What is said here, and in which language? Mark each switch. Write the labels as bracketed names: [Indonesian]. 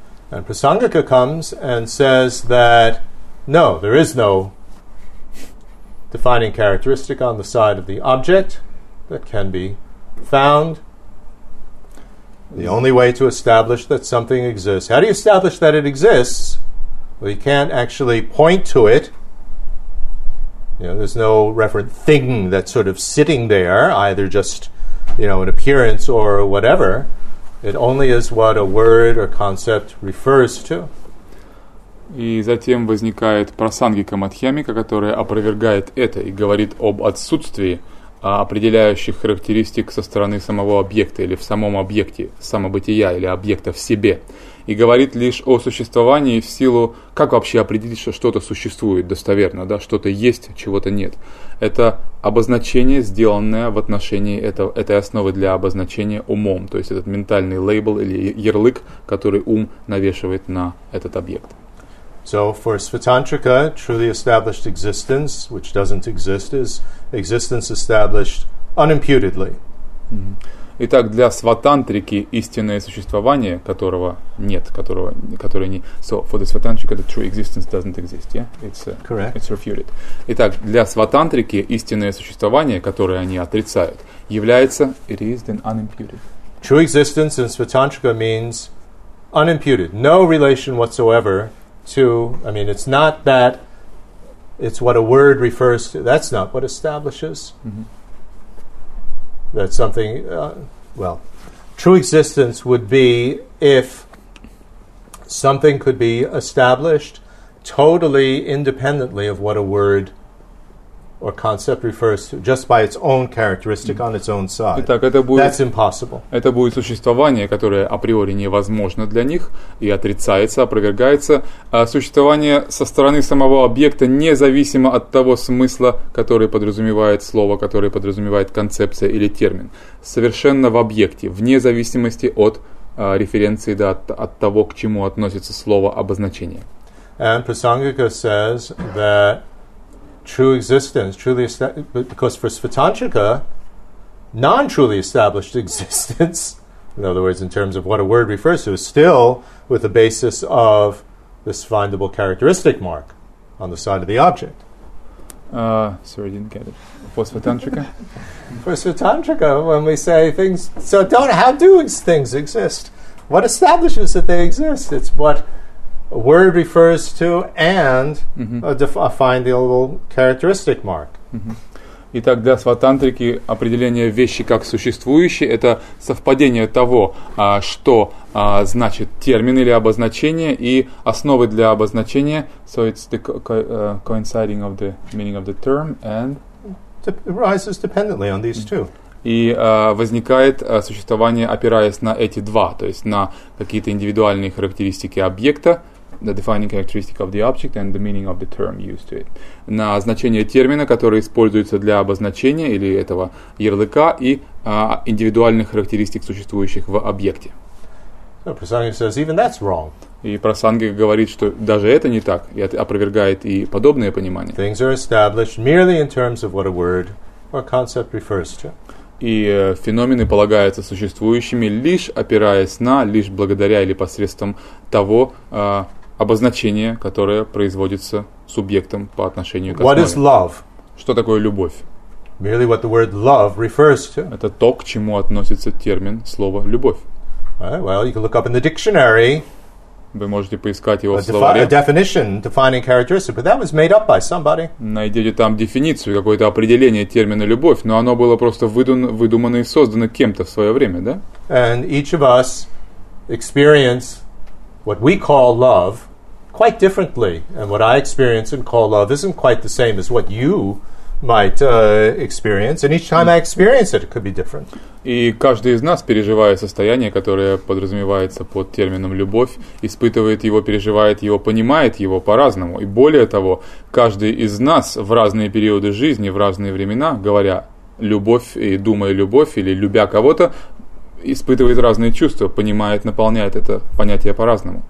[English] And Prasangika comes and says that no, there is no defining characteristic on the side of the object that can be found. The only way to establish that something exists. How do you establish that it exists? Well, you can't actually point to it. You know, there's no referent thing that's sort of sitting there, either just, you know, an appearance or whatever. It only is what a word or concept refers to. [Russian] И затем возникает Прасангика Мадхьямика, которая опровергает это и говорит об отсутствии определяющих характеристик со стороны самого объекта или в самом объекте, самобытия или объекта в себе. И говорит лишь о существовании в силу, как вообще определить, что что-то существует достоверно, да, что-то есть, чего-то нет. Это обозначение, сделанное в отношении этой основы для обозначения умом, то есть этот ментальный лейбл или ярлык, который ум навешивает на этот объект. [English] So for Svatantrika, truly established existence, which doesn't exist, is existence established unimputedly. [Russian] Итак, для сватантрики истинное существование, которого нет, которое не... [English] So, for the Svatantrika, the true existence doesn't exist, yeah? It's, correct. It's refuted. [Russian] Итак, для сватантрики истинное существование, которое они отрицают, является... [English] It is then unimputed. True existence in Svatantrika means unimputed. No relation whatsoever to... I mean, it's not that... It's what a word refers to. That's not what establishes... Mm-hmm. That something, true existence would be if something could be established totally independently of what a word or concept refers to, just by its own characteristic on its own side. [Russian] Итак, это будет, [English] that's impossible. [Russian] Это будет существование, которое априори невозможно для них и отрицается, опровергается. Существование со стороны самого объекта, независимо от того смысла, который подразумевает слово, который подразумевает концепция или термин. Совершенно в объекте, вне зависимости от референции, да, от того, к чему относится слово обозначение. [English] And Prasangika says that true existence, truly established, because for Svatantrika, non-truly established existence, in other words, in terms of what a word refers to, is still with the basis of this findable characteristic mark on the side of the object. Sorry, I didn't get it. For Svatantrika? For Svatantrika, when we say things, so don't, how do things exist? What establishes that they exist? It's what a word refers to and a findable characteristic mark. [Russian] Итак, для сватантрики определение вещи как существующей – это совпадение того, что значит термин или обозначение, и основы для обозначения. [English] So it's the coinciding of the meaning of the term and rises dependently on these two. [Russian] И возникает существование, опираясь на эти два, то есть на какие-то индивидуальные характеристики объекта. [English] The defining characteristic of the object and the meaning of the term used to it. [Russian] На значение термина, который используется для обозначения или этого ярлыка и индивидуальных характеристик, существующих в объекте. [English] So Prasangi says even that's wrong. [Russian] И Прасанги говорит, что даже это не так, и опровергает и подобное понимание. [English] Things are established merely in terms of what a word or concept refers to. [Russian] И феномены полагаются существующими лишь опираясь на, лишь благодаря или посредством того обозначения, которое производится субъектом по отношению к основе. [English] What is love? [Russian] Что такое любовь? [English] Merely what the word love refers to. [Russian] Это то, к чему относится термин слова «любовь». [English] All right, well, you can look up in the dictionary. [Russian] Вы можете поискать его в словаре. [English] A definition, defining characteristic, but that was made up by somebody. [Russian] Найдете там дефиницию, какое-то определение термина «любовь», но оно было просто выдумано и создано кем-то в свое время, да? [English] And each of us experience what we call love quite differently, and what I experience and call love isn't quite the same as what you might experience, and each time I experience it, it could be different. [Russian] И каждый из нас, переживая состояние, которое подразумевается под термином «любовь», испытывает его, переживает его, понимает его по-разному. И более того, каждый из нас в разные периоды жизни, в разные времена, говоря «любовь» и «думая любовь» или «любя кого-то», испытывает разные чувства, понимает, наполняет это понятие по-разному.